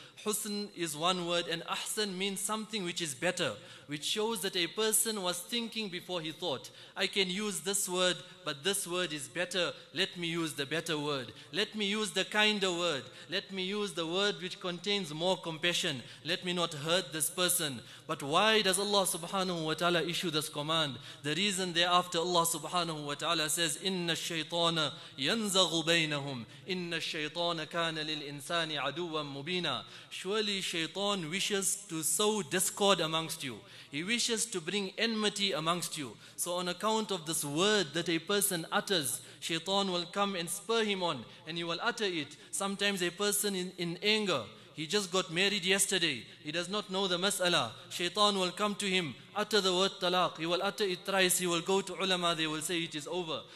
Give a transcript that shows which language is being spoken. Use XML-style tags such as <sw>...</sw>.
<en>Husn is one word, and ahsan means something which is better, which shows that a person was thinking before he thought. I can use this word, but this word is better. Let me use the better word. Let me use the kinder word. Let me use the word which contains more compassion. Let me not hurt this person. But why does Allah subhanahu wa ta'ala issue this command? The reason thereafter, Allah subhanahu wa ta'ala says,</en> <ar>إِنَّ الشَّيْطَانَ يَنْزَغُ بَيْنَهُمْ إِنَّ الشَّيْطَانَ كَانَ لِلْإِنسَانِ عَدُوًا مُبِينًا.</ar> <en>Surely shaitan wishes to sow discord amongst you. He wishes to bring enmity amongst you. So on account of this word that a person utters, shaitan will come and spur him on, and he will utter it. Sometimes a person in anger, he just got married yesterday, he does not know the mas'ala, shaitan will come to him, utter the word talaq, he will utter it thrice, he will go to ulama, they will say it is over.</en>